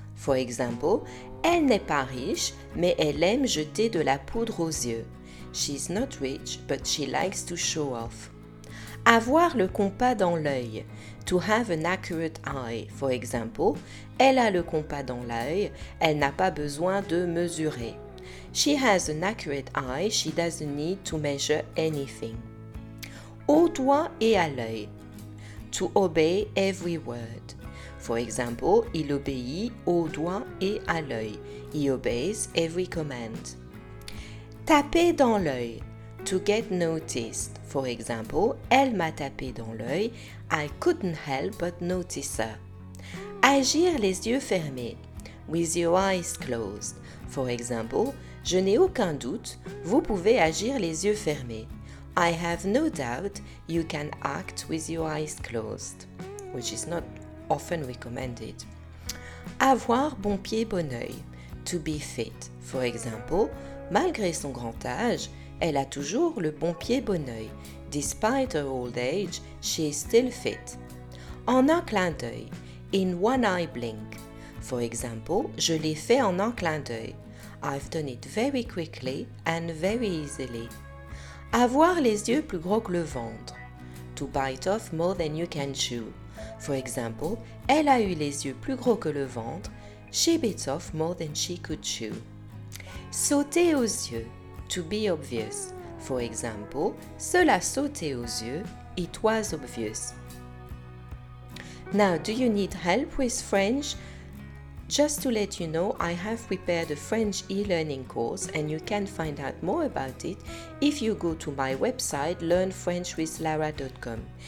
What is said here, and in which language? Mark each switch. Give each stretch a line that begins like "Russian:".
English: For example,
French: elle n'est pas riche, mais elle aime jeter de la poudre aux yeux.
English: She's not rich, but she likes to show off.
French: Avoir le compas dans l'œil.
English: To have an accurate eye. For example,
French: elle a le compas dans l'œil, elle n'a pas besoin de mesurer.
English: She has an accurate eye, she doesn't need to measure anything.
French: Au doigt et à l'œil.
English: To obey every word. For example,
French: il obéit au doigt et à l'œil.
English: He obeys every command.
French: Taper dans l'œil.
English: To get noticed. For example,
French: elle m'a tapé dans l'œil.
English: I couldn't help but notice her.
French: Agir les yeux fermés.
English: With your eyes closed. For example,
French: je n'ai aucun doute, vous pouvez agir les yeux fermés.
English: I have no doubt you can act with your eyes closed, which is not often recommended.
French: Avoir bon pied, bon œil.
English: To be fit. For example,
French: malgré son grand âge, elle a toujours le bon pied, bon œil.
English: Despite her old age, she is still fit.
French: En un clin d'œil.
English: In one eye blink. For example,
French: je l'ai fait en un clin d'œil.
English: I've done it very quickly and very easily.
French: Avoir les yeux plus gros que le ventre.
English: To bite off more than you can chew. For example,
French: elle a eu les yeux plus gros que le ventre.
English: She bit off more than she could chew.
French: Sauter aux yeux.
English: To be obvious. For example,
French: cela sautait aux yeux.
English: It was obvious. Now, do you need help with French? Just to let you know, I have prepared a French e-learning course and you can find out more about it if you go to my website learnfrenchwithlara.com.